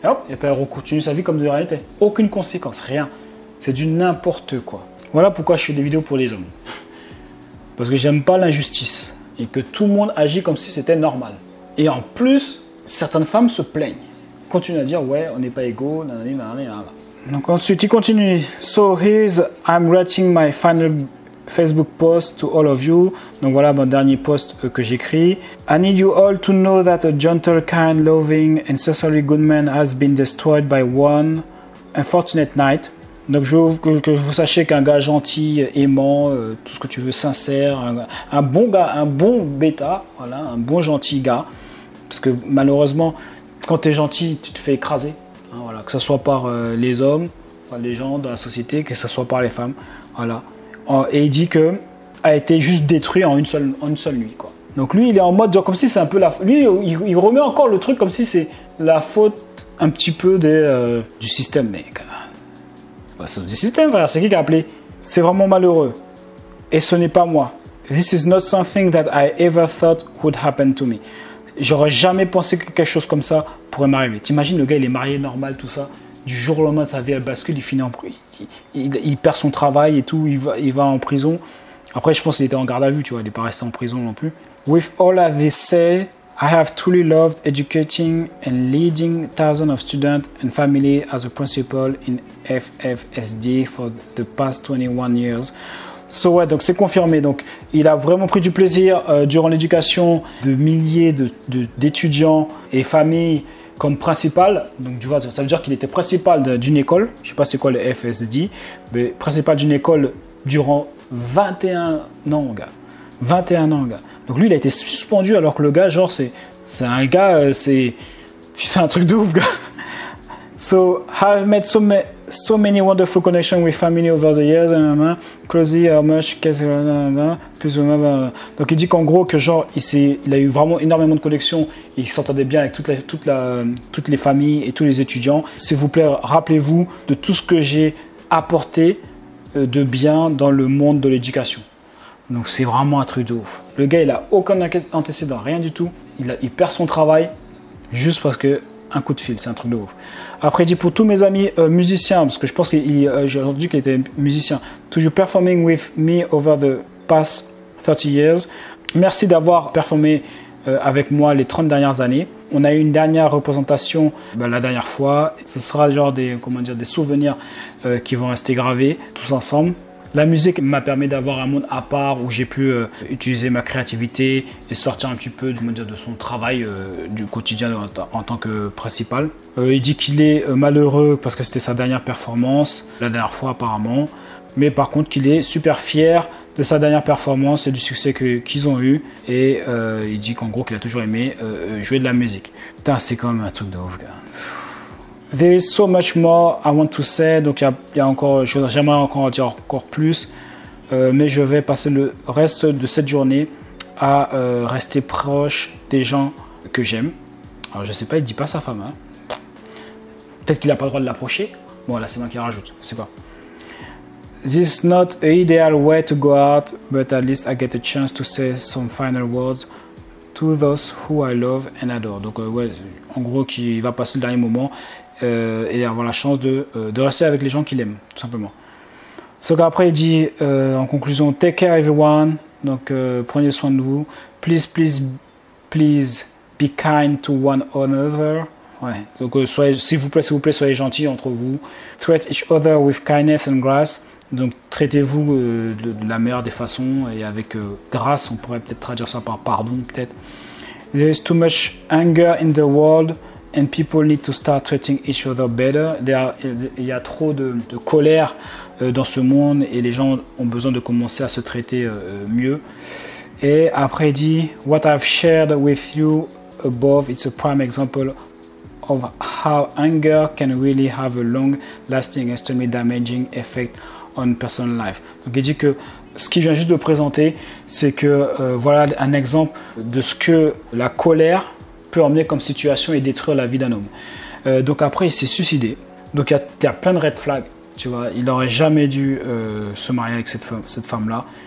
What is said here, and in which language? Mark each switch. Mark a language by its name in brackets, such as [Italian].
[French] Et puis elle continue sa vie comme de réalité. Aucune conséquence, rien. C'est du n'importe quoi. Voilà pourquoi je fais des vidéos pour les hommes. Parce que j'aime pas l'injustice. Et que tout le monde agit comme si c'était normal. Et en plus, certaines femmes se plaignent. Continuent à dire, ouais, on n'est pas égaux. Nanani, nanani, nanana. Donc ensuite, il continue. [English] So here's, I'm writing my final Facebook post to all of you. [French] Donc voilà mon dernier post que j'écris. [English] I need you all to know that a gentle, kind, loving and sincerely good man has been destroyed by one unfortunate night. [French] Donc que vous sachiez qu'un gars gentil, aimant, tout ce que tu veux, sincère, un bon gars, un bon bêta, voilà, un bon gentil gars. Parce que malheureusement, quand tu es gentil, tu te fais écraser. Hein, voilà, que ce soit par les hommes, enfin, les gens de la société, que ce soit par les femmes. Voilà. Et il dit que a été juste détruit en une seule nuit, quoi. Donc lui, il est en mode genre, comme si c'est un peu la faute. Lui, il remet encore le truc comme si c'est la faute un petit peu du système, mec. Bah, c'est du système, frère. C'est qui a appelé? C'est vraiment malheureux. Et ce n'est pas moi. [English] This is not something that I ever thought would happen to me. [French] J'aurais jamais pensé que quelque chose comme ça pourrait m'arriver. T'imagines, le gars, il est marié normal, tout ça. Du jour au lendemain, sa vie, elle bascule. Il finit en prison. Il perd son travail et tout. Il va en prison. Après, je pense qu'il était en garde à vue, tu vois. Il n'est pas resté en prison non plus. [English] With all that they say, I have truly loved educating and leading thousands of students and families as a principal in FFSD for the past 21 years. [French] So, ouais, donc c'est confirmé. Donc, il a vraiment pris du plaisir durant l'éducation de milliers d'étudiants et familles comme principal. Donc, tu vois, ça veut dire qu'il était principal d'une école. Je ne sais pas c'est quoi le FFSD, mais principal d'une école durant 21 ans, gars. 21 ans, gars. Donc lui, il a été suspendu alors que le gars, genre, c'est un gars, c'est un truc de ouf, gars. [English] So, I've made so many wonderful connections with family over the years, closely, how much, [French] plus ou moins. Donc il dit qu'en gros, que genre, il a eu vraiment énormément de connexions, il s'entendait bien avec toutes les familles et tous les étudiants. S'il vous plaît, rappelez-vous de tout ce que j'ai apporté de bien dans le monde de l'éducation. Donc c'est vraiment un truc de ouf. Le gars, il a aucun antécédent, rien du tout. Il perd son travail juste parce que un coup de fil, c'est un truc de ouf. Après, il dit pour tous mes amis musiciens, parce que je pense j'ai entendu qu'il était musicien. Toujours [English] performing with me over the past 30 years. [French] Merci d'avoir performé avec moi les 30 dernières années. On a eu une dernière représentation la dernière fois. Ce sera genre des souvenirs qui vont rester gravés tous ensemble. La musique m'a permis d'avoir un monde à part où j'ai pu utiliser ma créativité et sortir un petit peu de son travail du quotidien en tant que principal. Il dit qu'il est malheureux parce que c'était sa dernière performance, la dernière fois apparemment. Mais par contre, qu'il est super fier de sa dernière performance et du succès qu'ils ont eu. Et il dit qu'en gros, qu'il a toujours aimé jouer de la musique. Putain, c'est quand même un truc de ouf, gars. [English] There is so much more I want to say. [French] Donc il y a encore, j'aimerais encore en dire encore plus, mais je vais passer le reste de cette journée à rester proche des gens que j'aime. Alors je sais pas, il dit pas sa femme. Hein. Peut-être qu'il a pas le droit de l'approcher. Bon là c'est moi qui rajoute, c'est pas. [English] This is not an ideal way to go out, but at least I get a chance to say some final words to those who I love and adore. [French] Donc ouais, en gros qu'il va passer le dernier moment. Et avoir la chance de rester avec les gens qu'il aime, tout simplement. Ce qu'après il dit en conclusion, [English] take care everyone, [French] donc prenez soin de vous. [English] Please, please, please be kind to one another. [French] Ouais, donc soyez, s'il vous plaît, soyez gentils entre vous. [English] Treat each other with kindness and grace. [French] Donc traitez-vous de la meilleure des façons et avec grâce, on pourrait peut-être traduire ça par pardon, peut-être. [English] There is too much anger in the world. And people need to start treating each other better. [French] Il y a trop de colère dans ce monde et les gens ont besoin de commencer à se traiter mieux. Et après, il dit, [English] what I've shared with you above is a prime example of how anger can really have a long-lasting, extremely damaging effect on personal life. [French] Donc, il dit que ce qu'il vient juste de présenter, c'est que voilà un exemple de ce que la colère emmener comme situation et détruire la vie d'un homme. Donc après, il s'est suicidé. Donc il y a plein de red flags, tu vois. Il n'aurait jamais dû se marier avec cette femme-là.